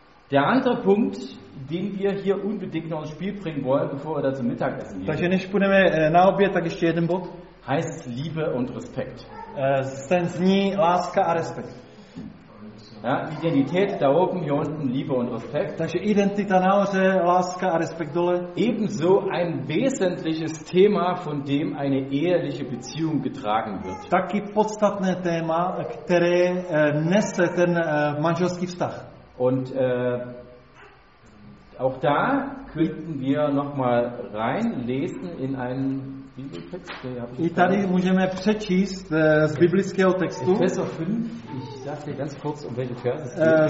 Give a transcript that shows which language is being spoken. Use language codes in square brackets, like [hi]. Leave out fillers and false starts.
[de] Der andere Punkt, den wir hier unbedingt noch ins Spiel bringen wollen, bevor wir da zum Mittagessen gehen. [cs] Takže než půjdeme na oběd, tak ještě jeden bod. [de] Heißt Liebe und Respekt. [cs] Ten zní láska a respekt. [de] Ja, Identität da oben, hier unten Liebe und Respekt. [cs] Takže identita nahoře, láska a respekt dole. [de] Ebenso ein wesentliches Thema, von dem eine eheliche Beziehung getragen wird. [cs] Taky podstatné téma, které nese ten manželský vztah. [de] Und auch da könnten wir nochmal reinlesen in einen Bibeltext. [cs] I tady můžeme přečíst z biblického textu. [de] Epheser 5, ich sag dir ganz kurz, um welche Verse es geht.